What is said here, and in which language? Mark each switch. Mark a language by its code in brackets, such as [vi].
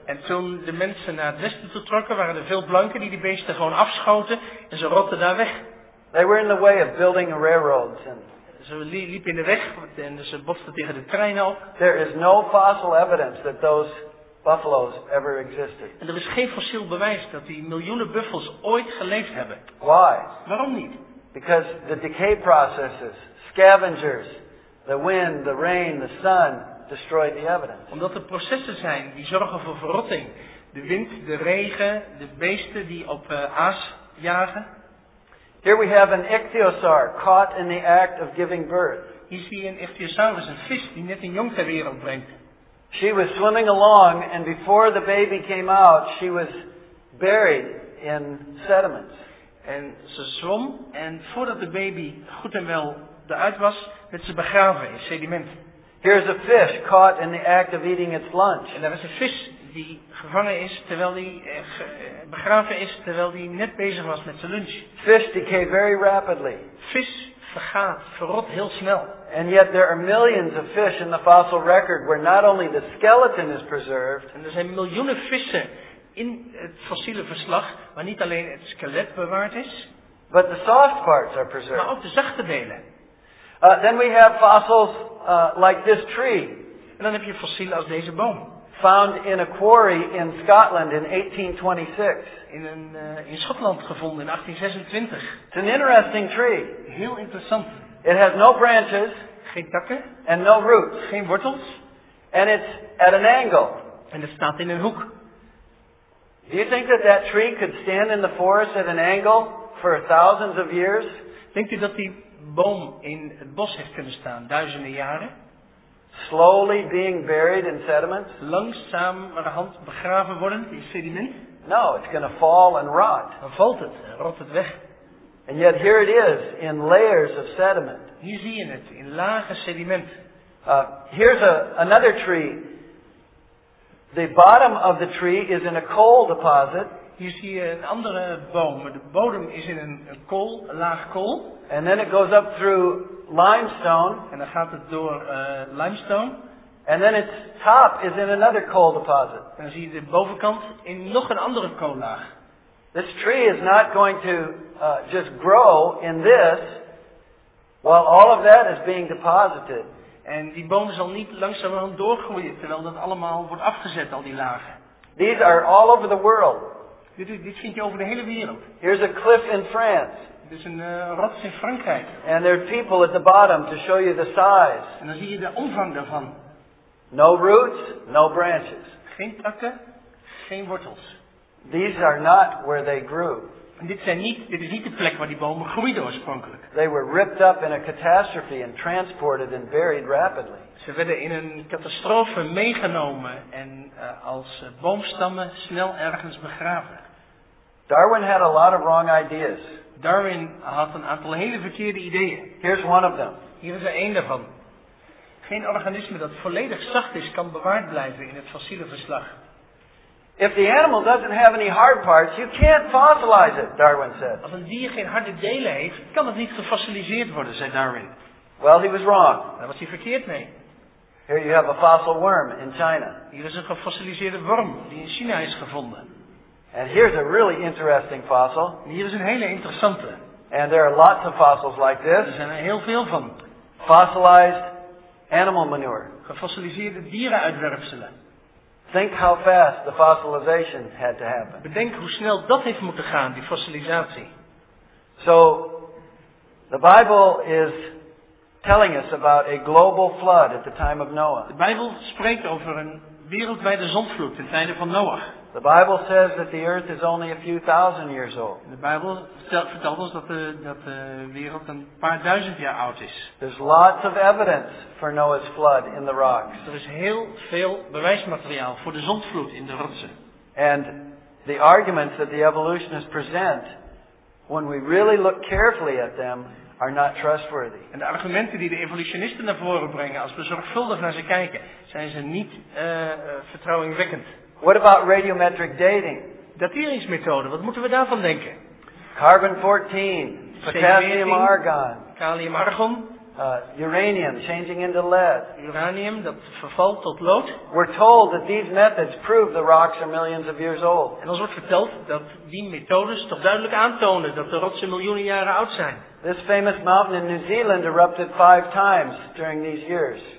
[nl] En toen de mensen naar het westen toe trokken, waren er veel blanken die beesten gewoon afschoten en ze rotten daar weg. [en] They were in the way of building railroads and [nl] ze liepen in de weg en ze botsten tegen de trein op. [en] There is no fossil evidence that those buffaloes ever existed. [nl] En er is geen fossiel bewijs dat die miljoenen buffels ooit geleefd hebben. [en] Why? [nl] Waarom niet? [en] Because the decay processes, scavengers, the wind, the rain, the sun destroy the evidence. [nl] Omdat er processen zijn die zorgen voor verrotting. De wind, de regen, de beesten die op aas jagen. [en] Here we have an ichthyosaur caught in the act of giving birth. [nl] Hier zie je een ichthyosaurus, een vis die net een jong ter wereld brengt. [en] She was swimming along and before the baby came out, she was buried in sediments. [nl] En ze zwom en voordat de baby goed en wel eruit was, werd ze begraven in sediment. [en] Here's a fish caught in the act of eating its lunch. [nl] En daar is een vis die gevangen is terwijl die begraven is terwijl die net bezig was met zijn lunch. [en] Fish decay very rapidly. [nl] Vis vergaat, verrot heel snel. [en] And yet there are millions of fish in the fossil record where not only the skeleton is preserved. [nl] En er zijn miljoenen vissen in het fossiele verslag waar niet alleen het skelet bewaard is, [en] but the soft parts are preserved. [nl] Maar ook de zachte delen. [en] Then we have fossils like this tree. [nl] En dan heb je fossielen als deze boom. [en] Found in a quarry in Scotland in 1826. [nl] In Schotland gevonden in 1826. [en] It's an interesting tree. [nl] Heel interessant. [en] It has no branches. [nl] Geen takken. [en] And no roots. [nl] Geen wortels. [en] And it's at an angle. [nl] En het staat in een hoek. [en] Do you think that that tree could stand in the forest at an angle for thousands of years? [nl] Denkt u dat die boom in het bos heeft kunnen staan duizenden jaren? [en] Slowly being buried in sediment. [nl] Langzamerhand begraven worden in sediment. [en] No, it's going to fall and rot. [nl] Dan valt het, dan rot het weg. [en] And yet here it is in layers of sediment. [nl] Hier zie je het in lage sediment. [en] Here's another tree. The bottom of the tree is in a coal deposit. [nl] Hier zie je een andere boom. De bodem is in een kool, een laag kool. [en] And then it goes up through limestone. [nl] En dan gaat het door limestone. [en] And then its top is in another coal deposit. [nl] En dan zie je de bovenkant in nog een andere koollaag. [en] This tree is not going to just grow in this while all of that is being deposited. [nl] En die boom zal niet langzamerhand doorgroeien terwijl dat allemaal wordt afgezet, al die lagen. [en] These are all over the world. [nl] Dit vind je over de hele wereld. [en] Here's a cliff in France. [nl] Dit is een rots in Frankrijk. [en] And there are people at the bottom to show you the size. [nl] En dan zie je de omvang daarvan. [en] No roots, no branches. [nl] Geen takken, geen wortels. [en] These are not where they grew. [nl] En dit is niet de plek waar die bomen groeiden oorspronkelijk. [en] They were ripped up in a catastrophe and transported and buried rapidly. [nl] Ze werden in een catastrofe meegenomen en als boomstammen snel ergens begraven. [en] Darwin had a lot of wrong ideas. [nl] Darwin had een aantal hele verkeerde ideeën. [en] Here's one of them. [nl] Hier is er één daarvan. Geen organisme dat volledig zacht is kan bewaard blijven in het fossiele verslag. [en] If the animal doesn't have any hard parts, you can't fossilize it, Darwin said. [nl] Als een dier geen harde delen heeft, kan het niet gefossiliseerd worden, zei Darwin. [en] Well, he was wrong. [nl] Daar was hij verkeerd mee. [en] Here you have a fossil worm in China. [nl] Hier is een gefossiliseerde worm die in China is gevonden. [en] And here's a really interesting fossil. [nl] En hier is een hele interessante. [en] And there are lots of fossils like this. [nl] Er zijn er heel veel van. [en] Fossilized animal manure. [nl] Gefossiliseerde dierenuitwerpselen. [en] Think how fast the fossilization had to happen. [nl] Bedenk hoe snel dat heeft moeten gaan, die fossilisatie. [en] So, the Bible is telling us about a global flood at the time of Noah. [nl] De Bijbel spreekt over een wereldwijde zondvloed ten tijde van Noach. [en] The Bible says that the earth is only a few thousand years old. [nl] De Bijbel vertelt ons dat de wereld een paar duizend jaar oud is. [en] There's lots of evidence for Noah's flood in the rocks. [nl] Er is heel veel bewijsmateriaal voor de zondvloed in de rotsen. [en] And the arguments that the evolutionists present, when we really look carefully at them, are not trustworthy. [nl] En de argumenten die de evolutionisten naar voren brengen, als we zorgvuldig naar ze kijken, zijn ze niet vertrouwingwekkend. [en] What about radiometric dating? [nl] Dateringsmethode, wat moeten we daarvan denken? [en] Carbon 14, potassium argon. [nl] Kalium argon. [en] Uranium changing into lead. [nl] Uranium dat vervalt tot lood. [en] We're told that these methods prove the rocks are millions of years old. [nl] En ons wordt verteld dat die methodes toch duidelijk aantonen dat de rotsen miljoenen jaren oud zijn. [en] This famous mountain in New Zealand erupted 5 times during these years.